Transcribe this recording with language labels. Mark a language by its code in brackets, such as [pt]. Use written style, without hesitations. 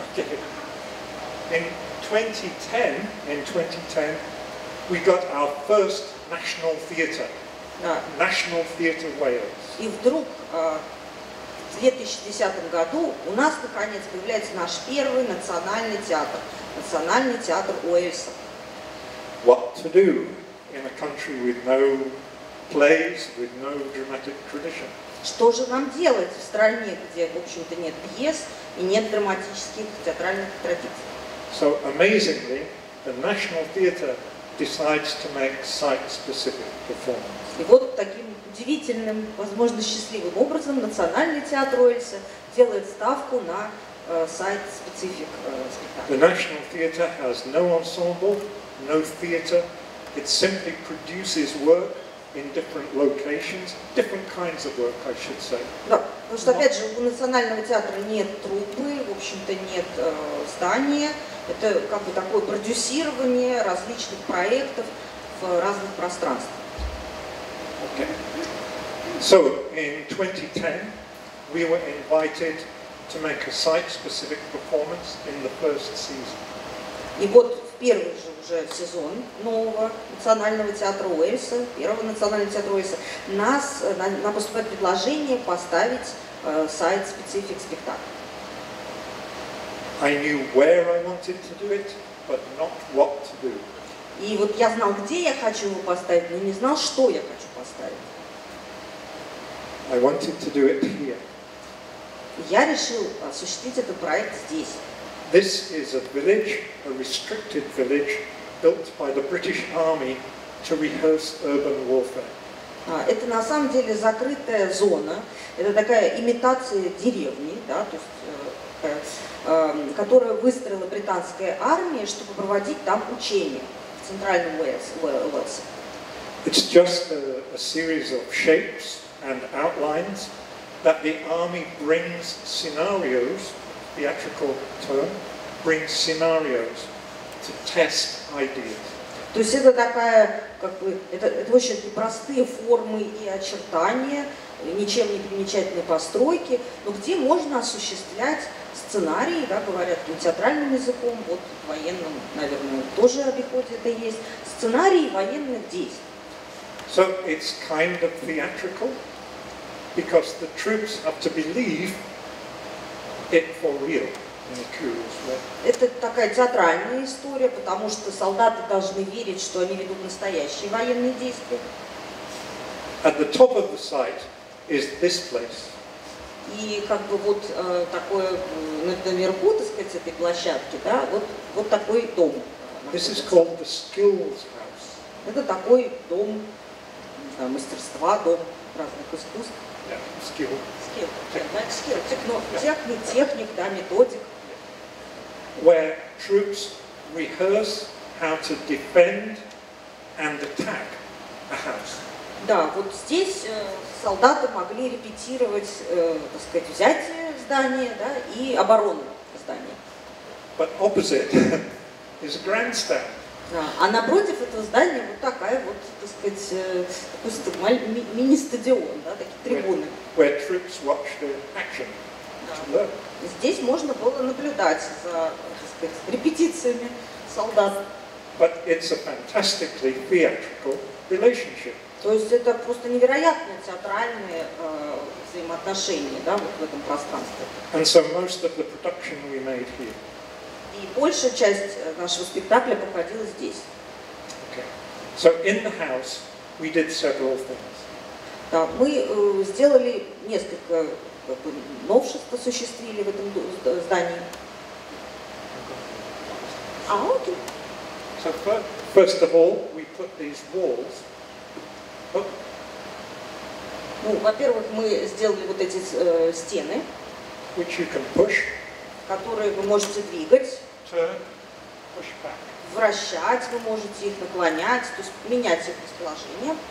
[en] Okay. In 2010, we got our first national theater. Yeah. National Theater Wales. [ru] И вдруг в 2010 году у нас наконец появляется наш первый национальный театр. Национальный театр Уэльса. [en] What to do in a country with no plays, with no dramatic tradition? [ru] Что же нам делать в стране, где, в общем-то, нет пьес и нет драматических театральных традиций? [en] So amazingly, the National Theatre decides to make site-specific performances. [ru] И вот таким удивительным, возможно, счастливым образом Национальный театр Уэльса делает ставку на site-specific спектакль. [en] The National Theatre has no ensemble, no theatre. It simply produces work in different locations, different kinds of work, I should say. [ru] Да, потому что, опять же, у Национального театра нет труппы, в общем-то, нет здания. Это как бы такое продюсирование различных проектов в разных пространствах. [en] Okay. So in 2010, we were invited to make a site-specific performance in the first season. [ru] И вот в первый же уже сезон нового национального театра Уэльса, первого национального театра Уэльса, нас на поступает предложение поставить сайт-специфик спектакль. [en] I knew where I wanted to do it, but not what to do. [ru] И вот я знал, где я хочу его поставить, но не знал, что я хочу поставить. [en] I wanted to do it here. [ru] Я решил осуществить этот проект здесь. [en] This is a village, a restricted village, built by the British Army to rehearse urban warfare. [ru] Это на самом деле закрытая зона. Это такая имитация деревни, да, то есть которую выстроила британская армия, чтобы проводить там учения в центральном Уэльсе. [en] It's just a series of shapes and outlines that the army brings scenarios, theatrical term, brings scenarios to test ideas. [ru] То есть это такая, как бы, это очень простые формы и очертания, ничем не примечательные постройки, но где можно осуществлять сценарии, да, говорят театральным языком, вот в военном, наверное, тоже обиходе это есть, сценарии военных действий. [en] So it's kind of theatrical, because the troops have to believe it for real in a curious way. [ru] Это такая театральная история, потому что солдаты должны верить, что они ведут настоящие военные действия. [en] At the top of the site is this place. [ru] И как бы вот такое наверху, так сказать, этой площадки, да, вот такой дом. [en] This is called the skills house. [ru] Это такой дом, не знаю, мастерства, дом разных искусств. [en] Yeah, skill. [ru] Skill. Техник, да, методик. [en] Where troops rehearse how to defend and attack a house. [ru] Да, вот здесь солдаты могли репетировать, так сказать, взятие здания, да, и оборону здания. [en] But opposite is a grandstand. [ru] А напротив этого здания вот такая вот, так сказать, какой-то мини-стадион, да, такие трибуны. [en] Where troops watch the action. [ru] Да. Здесь можно было наблюдать за, так сказать, репетициями солдат. [en] But it's a fantastically theatrical relationship. [ru] То есть это просто невероятные театральные взаимоотношения, да, вот в этом пространстве. [en] And so most of the production we made here. [ru] И большая часть нашего спектакля проходила здесь. [en] Okay. So in the house we did several things. [ru] Да, мы сделали несколько как бы новшеств, осуществили в этом здании. А, окей. [en] So first of all, we put these walls. [ru] Ну, во-первых, мы сделали вот эти стены, [en] which you can push, [ru] которые вы можете двигать, [en] turn, push back. [ru] Вращать, вы можете их наклонять, то есть менять их расположение.